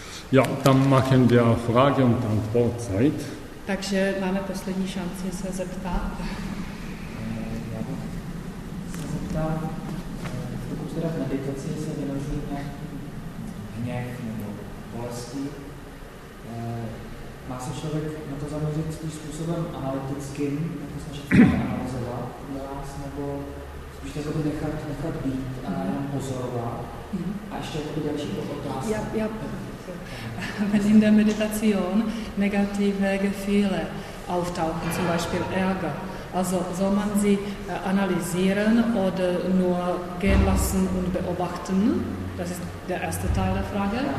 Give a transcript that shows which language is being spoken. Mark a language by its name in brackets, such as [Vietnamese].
[German] Ja, tam machen wir Frage und Antwort Zeit. [Czech] Takže máme poslední šanci se zeptat. Já bych se zeptal, pokud teda v meditaci se vynoří hněv nebo bolesti, má se člověk na to zaměřit spíš způsobem analytickým, jako se všechno analyzovat vás, nebo spíš to jako nechat být a jenom pozorovat. A ještě jako další otázka. [German] Wenn in der Meditation negative Gefühle auftauchen, zum Beispiel Ärger, also soll man sie analysieren oder nur gehen lassen und beobachten? Das ist der erste Teil der Frage.